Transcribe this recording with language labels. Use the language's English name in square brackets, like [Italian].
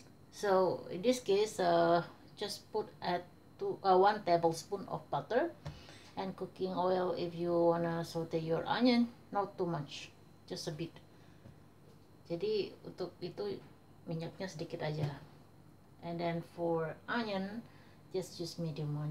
[English] So in this case, just put at 1 tablespoon of butter and cooking oil if you wanna saute your onion, not too much, just a bit. [Indonesian] Jadi untuk itu minyaknya sedikit aja. [English] And then for onion, just use medium one.